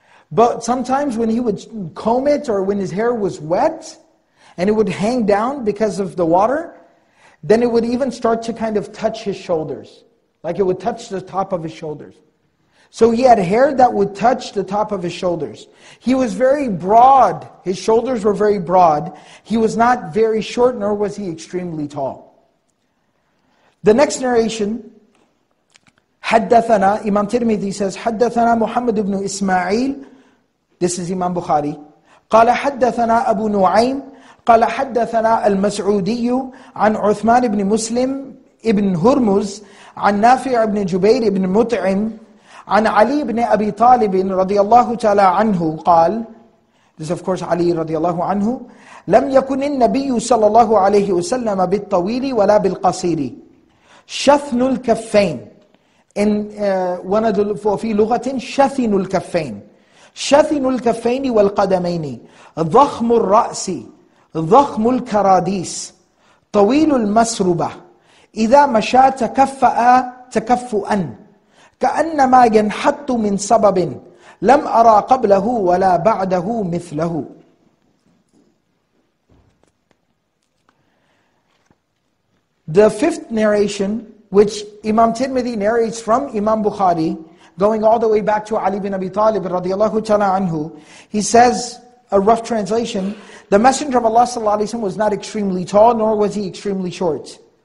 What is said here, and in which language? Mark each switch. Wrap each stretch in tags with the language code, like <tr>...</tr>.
<en>But sometimes when he would comb it, or when his hair was wet and it would hang down because of the water, then it would even start to kind of touch his shoulders. Like it would touch the top of his shoulders. So he had hair that would touch the top of his shoulders. He was very broad. His shoulders were very broad. He was not very short, nor was he extremely tall.</en> <ar>The next narration, حدثنا,</ar> <en>Imam Tirmidhi says,</en> <ar>حدثنا محمد بن إسماعيل,</ar> <en>this is Imam Bukhari,</en> <ar>قال حدثنا أبو نعيم, قال حدثنا المسعودي عن عثمان بن مسلم ابن هرمز عن نافع بن جبير بن مطعم عن علي بن أبي طالب رضي الله تعالى عنه قال,</ar> <en>this of course</en> <ar>علي رضي الله عنه, لم يكن النبي صلى الله عليه وسلم بالطويل ولا بالقصير شثن الكفين.</ar> <en>In one of the,</en> <ar>في لغة شثن الكفين, شثن الكفين والقدمين ضخم الرأس ضخم الكراديس طويل المسربة إذا مشى تكفأ تكفؤا كأنما ينحط من سبب لم أرى قبله ولا بعده مثله.</ar> <en>The fifth narration, which Imam Tirmidhi narrates from Imam Bukhari, going all the way back to Ali bin Abi Talib radiallahu ta'ala anhu, he says, a rough translation, the Messenger of Allah sallallahu alaihi wasallam was not extremely tall, nor was he extremely short.</en>